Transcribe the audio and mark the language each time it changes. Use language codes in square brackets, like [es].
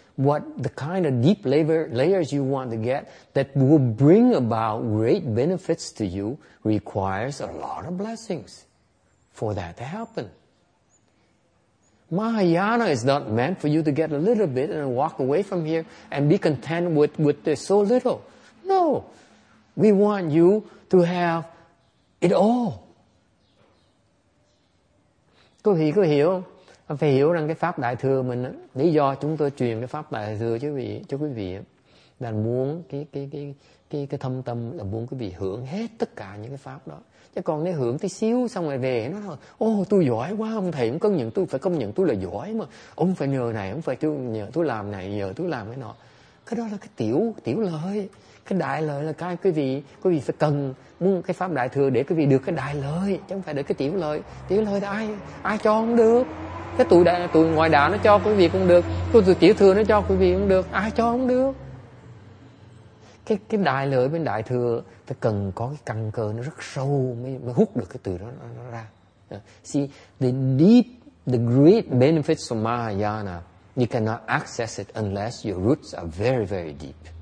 [en] What the kind of deep layers you want to get that will bring about great benefits to you requires a lot of blessings for that to happen. Mahayana is not meant for you to get a little bit and walk away from here and be content with this so little. No, we want you to have it all. [vi] Cô hiểu. Phải hiểu rằng cái pháp đại thừa mình, lý do chúng tôi truyền cái pháp đại thừa cho quý vị là muốn cái thâm tâm là muốn quý vị hưởng hết tất cả những cái pháp đó. Chứ còn nếu hưởng tí xíu xong rồi về nó nói, ô tôi giỏi quá, ông thầy cũng công nhận tôi, phải công nhận tôi là giỏi mà, ông phải nhờ này, ông phải nhờ tôi làm này, nhờ tôi làm cái nọ. Cái đó là cái tiểu lợi. Cái đại lợi là cái quý vị phải cần muốn cái pháp đại thừa để quý vị được cái đại lợi, chứ không phải để cái tiểu lợi. Tiểu lợi thì ai cho cũng được. Cái tụi ngoại đạo nó cho quý vị cũng được, tụi tiểu thừa nó cho quý vị cũng được, ai cho cũng được. Cái đại lợi bên đại thừa phải cần có cái căn cơ nó rất sâu mới hút được cái từ đó nó ra. [en] See, the great benefits of Mahayana, you cannot access it unless your roots are very, very deep.